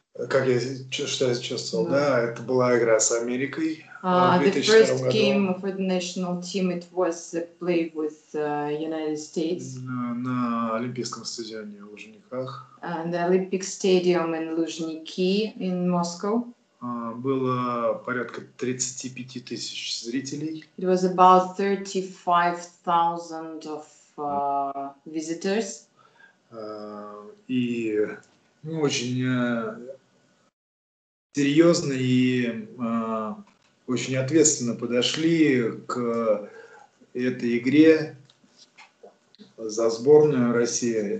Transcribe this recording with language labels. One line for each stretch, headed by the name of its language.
Russian: Как я считаю, чувствовал? Да, это была игра с Америкой.
English: The first game for the national team, it was a play with United States.
Russian: На Олимпийском стадионе в Лужниках.
English: And the Olympic Stadium in Luzhniki in Moscow.
Russian: Было порядка 35 тысяч зрителей.
English: It was about 35,000 of visitors.
Russian: И очень серьезно и очень ответственно подошли к этой игре за сборную России.